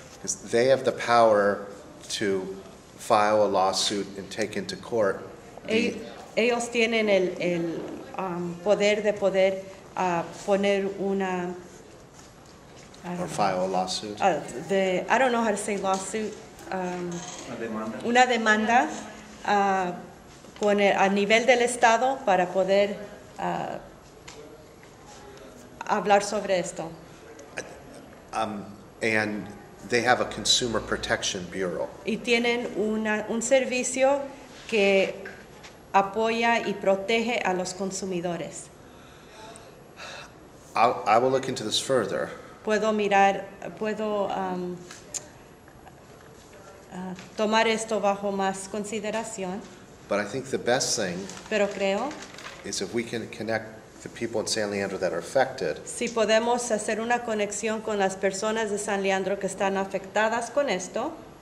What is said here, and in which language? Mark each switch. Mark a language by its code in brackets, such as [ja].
[en] Because they have the power to file a lawsuit and take into court. [es] Ellos tienen el poder de poder poner una. [en] Or file a lawsuit. I don't know how to say lawsuit. [es] Demanda. Una demanda a nivel del estado para poder hablar sobre esto. [en] And they have a Consumer Protection Bureau. [es] Y tienen un servicio que apoya y protege a los consumidores. [en] I will look into this further. [es] Tomar esto bajo más consideración. [en] But I think the best thing [es] pero creo [en] is if we can connect the people in San Leandro that are affected. [es] Si podemos hacer una conexión con las personas de San Leandro que están afectadas con esto.